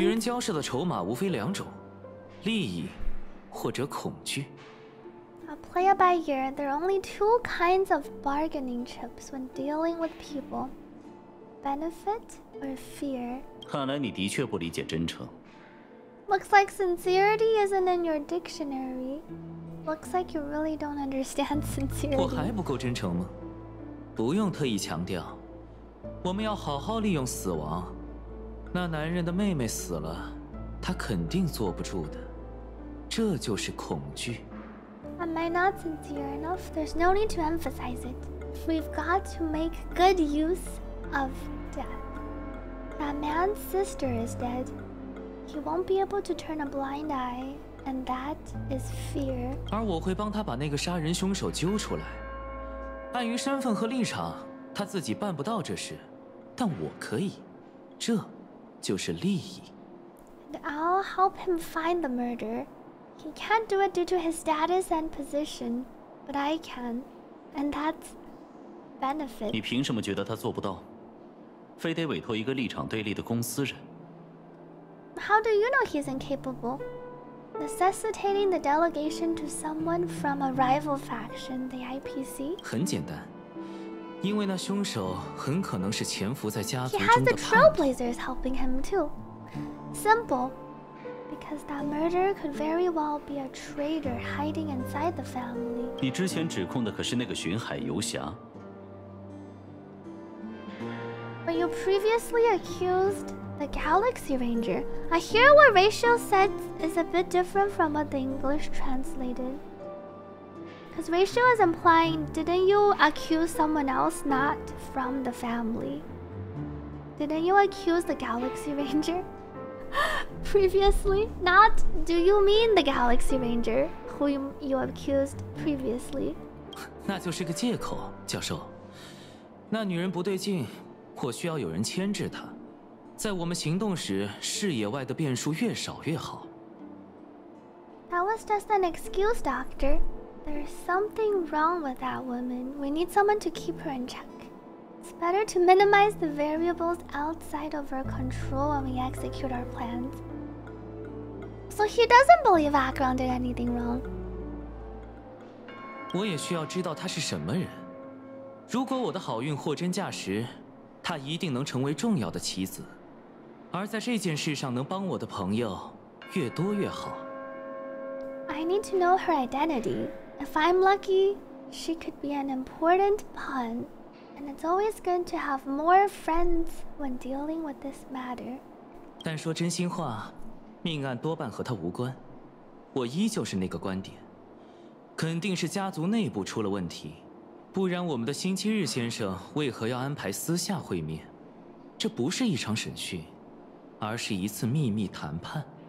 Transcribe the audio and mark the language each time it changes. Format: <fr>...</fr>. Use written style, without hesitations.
<zh>与人交涉的筹码无非两种，利益或者恐惧。</zh> <en>I'll play it by ear. There are only two kinds of bargaining chips when dealing with people: benefit or fear.</en> <zh>看来你的确不理解真诚。</zh> <en>Looks like sincerity isn't in your dictionary. Looks like you really don't understand sincerity.</en> <zh>我还不够真诚吗？不用特意强调，我们要好好利用死亡。那男人的妹妹死了，他肯定坐不住的。这就是恐惧。</zh> <en>Am I not sincere enough? There's no need to emphasize it. We've got to make good use of death. That man's sister is dead. He won't be able to turn a blind eye. And that is fear.</en> <zh>而我会帮他把那个杀人凶手揪出来。碍于身份和立场，他自己办不到这事，但我可以。这就是利益。</zh> <en>And I'll help him find the murderer. He can't do it due to his status and position, but I can. And that's benefit.</en> <zh>你凭什么觉得他做不到？非得委托一个立场对立的公司人</zh> <en>？How do you know he's incapable? Necessitating the delegation to someone from a rival faction, the IPC?</en> <zh>很简单，因为那凶手很可能是潜伏在家族中的叛徒。</zh> <en>He has the trailblazers helping him too. Simple, because that murderer could very well be a traitor hiding inside the family.</en> <zh>你之前指控的可是那个巡海游侠。</zh> <en>But you previously accused the Galaxy Ranger. I hear what Rachel said is a bit different from what the English translated. Because Rachel is implying, didn't you accuse someone else not from the family? Didn't you accuse the Galaxy Ranger previously? Not, do you mean the Galaxy Ranger who you accused previously?</en> <zh>那就是个借口，教授。那女人不对劲。我需要有人牵制他，在我们行动时，视野外的变数越少越好。</zh> <en>That was just an excuse, Doctor. There's something wrong with that woman. We need someone to keep her in check. It's better to minimize the variables outside of our control when we execute our plans. So he doesn't believe Acheron did anything wrong.</en> <zh>我也需要知道他是什么人。如果我的好运货真价实。她一定能成为重要的棋子，而在这件事上能帮我的朋友越多越好。</zh> <en>I need to know her identity. If I'm lucky, she could be an important pawn. And it's always good to have more friends when dealing with this matter.</en> <zh>但说真心话，命案多半和她无关。我依旧是那个观点，肯定是家族内部出了问题。不然我们的星期日先生为何要安排私下会面？这不是一场审讯，而是一次秘密谈判。</zh>